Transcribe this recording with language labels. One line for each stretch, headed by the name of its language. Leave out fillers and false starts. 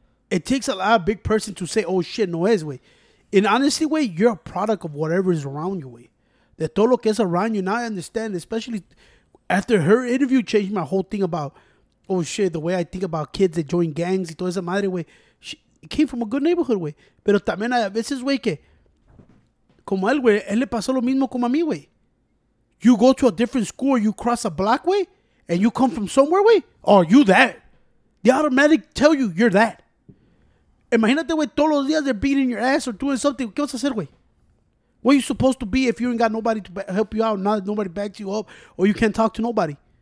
English: It takes a lot of big person to say, oh, shit,
Spanish: no es,
English: way. And honestly, way, you're a product of whatever is around you, way. That
Spanish: todo lo que es
English: around you, now I understand, especially after her interview changed my whole thing about, oh, shit, the way I think about kids that join gangs
Spanish: y toda esa madre,
English: way. It came from a good neighborhood, way.
Spanish: Pero también a veces, way, que como él, güey, él le pasó lo mismo como a mí, güey.
English: You go to a different school, you cross a block, way, and you come from somewhere, way, oh, you that. The automatic tell you, you're that.
Spanish: Imagínate, güey, todos los días
English: they're beating your ass or doing something.
Spanish: ¿Qué vas a hacer, güey?
English: What are you supposed to be if you ain't got nobody to help you out, not nobody backs you up, or you can't talk to nobody?